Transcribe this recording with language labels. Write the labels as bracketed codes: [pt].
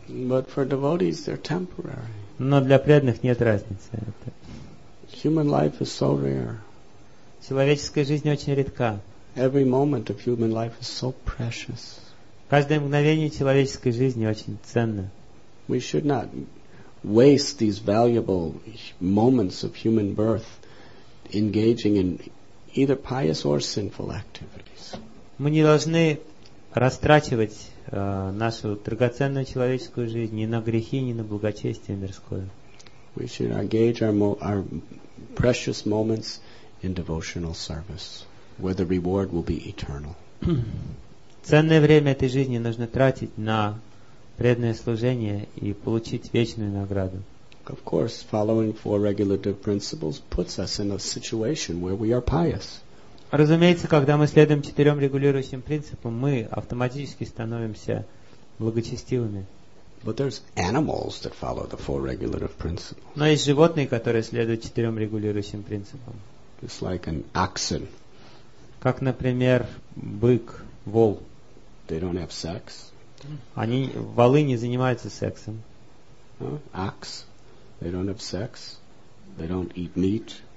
[en] But for devotees, they're temporary. [ru] Но для преданных нет разницы. [en] Human life is so rare. [ru] Человеческая жизнь очень редка. [en] Every moment of human life is so precious. [ru] Каждое мгновение человеческой жизни очень ценно. [en] We should not waste these valuable moments of human birth engaging in either pious or sinful activities. [ru] Мы не должны растрачивать нашу драгоценную человеческую жизнь ни на грехи, ни на благочестие мирское. [en] We should engage our precious moments in devotional service, where the reward will be eternal. [ru] Ценное время этой жизни нужно тратить на преданное служение и получить вечную награду. [en] Of course, following four regulative principles puts us in a situation where we are pious. [ru] Разумеется, когда мы следуем четырем регулирующим принципам, мы автоматически становимся благочестивыми. [en] But there's animals that follow the four regulative principles. [ru] Но есть животные, которые следуют четырем регулирующим принципам. [en] Just like an oxen. [ru] Как, например, бык, вол. [en] They don't have sex. [ru] Они, волы не занимаются сексом. [en] acts. They don't have sex. They don't eat meat.